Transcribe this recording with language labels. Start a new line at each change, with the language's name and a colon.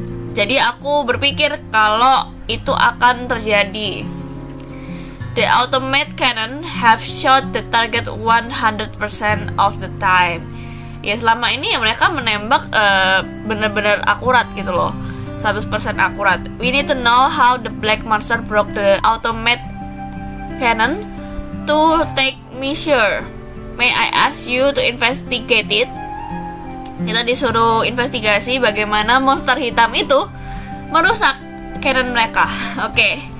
Indonesian: Jadi aku berpikir kalau itu akan terjadi.
English: The automatic cannon have shot the target 100% of the time.
Indonesian: Ya, selama ini mereka menembak benar-benar akurat gitu loh. 100% akurat.
English: We need to know how the black monster broke the automatic cannon to take measure. May I ask you to investigate it?
Indonesian: Kita disuruh investigasi bagaimana monster hitam itu merusak cannon mereka. Oke.